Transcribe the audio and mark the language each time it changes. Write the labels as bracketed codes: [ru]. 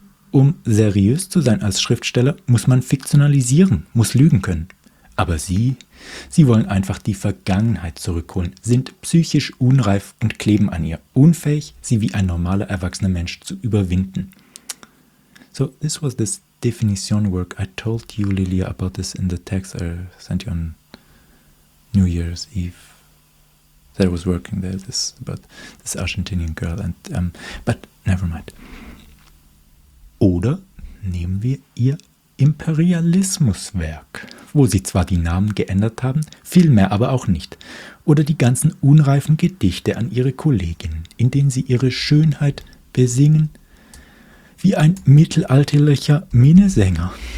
[de] Um seriös zu sein als Schriftsteller, muss man fiktionalisieren, muss lügen können. Aber Sie wollen einfach die Vergangenheit zurückholen, sind psychisch unreif und kleben an ihr, unfähig, sie wie ein normaler erwachsener Mensch zu überwinden. [en] So, this was this definition work. I told you, Lilia, about this in the text I sent you on New Year's Eve. That I was working there, this about this Argentinian girl. And but never mind. [de] Oder nehmen wir ihr Imperialismuswerk, wo sie zwar die Namen geändert haben, viel mehr aber auch nicht. Oder die ganzen unreifen Gedichte an ihre Kolleginnen, in denen sie ihre Schönheit besingen, wie ein mittelalterlicher Minnesänger.